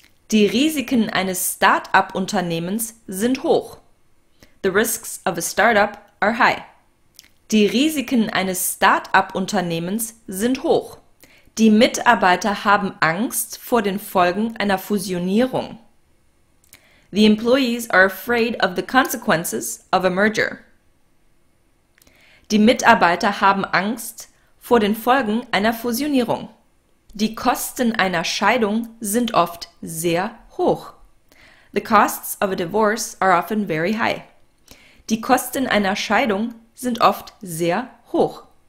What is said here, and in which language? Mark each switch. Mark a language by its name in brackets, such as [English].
[German] Die Risiken eines Start-up-Unternehmens sind hoch. [English] The risks of a startup are high. [German] Die Risiken eines Start-up-Unternehmens sind hoch. Die Mitarbeiter haben Angst vor den Folgen einer Fusionierung. [English] The employees are afraid of the consequences of a merger. [German] Die Mitarbeiter haben Angst vor den Folgen einer Fusionierung. Die Kosten einer Scheidung sind oft sehr hoch. [English] The costs of a divorce are often very high. [German] Die Kosten einer Scheidung sind oft sehr hoch.